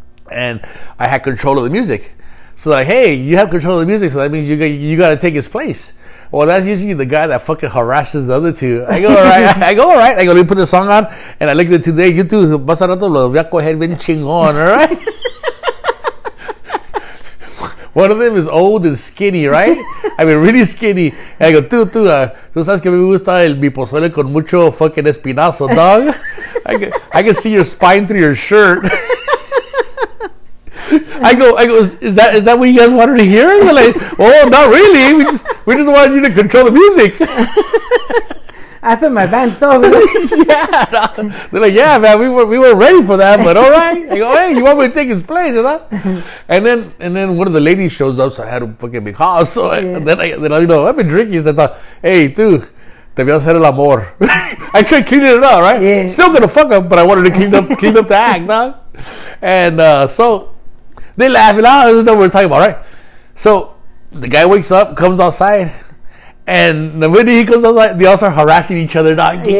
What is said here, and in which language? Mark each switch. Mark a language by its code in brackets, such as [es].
[en] And I had control of the music. So like, hey, you have control of the music, so that means you got to take his place. Well, that's usually the guy that fucking harasses the other two. I go, all right. I go, let me put the song on. And I look at the two, hey, you two, [es] más a rato los voy a coger bien chingón, [en] all right? One of them is old and skinny, right? I mean, really skinny. And I go, [es] tú sabes que me gusta el mi pozole con mucho fucking espinazo, dog? [en] I can see your spine through your shirt. I go. Is that what you guys wanted to hear? They're like, oh, not really. We just wanted you to control the music. That's what my band stuff. Yeah. They're like, yeah, man. We were ready for that, but all right. I go, hey, you want me to take his place, you know? And then one of the ladies shows up, so I had to fucking be hot. So yeah. And then I, you know, I've been drinking. So I thought, hey, dude, [es] te voy a hacer el amor. [en] I tried cleaning it up, right? Yeah. Still gonna fuck up, but I wanted to clean up the act, huh? And so. They laughing. Oh, this is what we're talking about, right? So the guy wakes up, comes outside, and the minute he comes outside, they all start harassing each other. Dog, yeah.